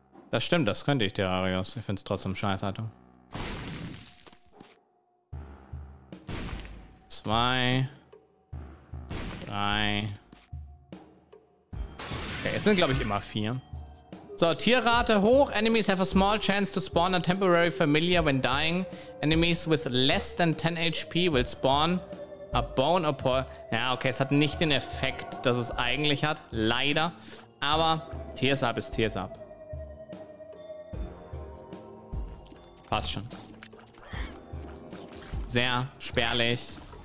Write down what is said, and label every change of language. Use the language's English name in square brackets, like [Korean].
[German] Das stimmt, das könnte ich, Terrarios. Ich find's trotzdem scheiße, Alter. 2. 3. Okay, es sind, glaube ich, immer 4. So, Tierrate hoch. [English] Enemies have a small chance to spawn a temporary familiar when dying. Enemies with less than 10 HP will spawn a bone or paw. [German] Ja, okay, es hat nicht den Effekt, dass es eigentlich hat. Leider. Aber Tiers up ist Tiers up. Passt schon. Sehr spärlich.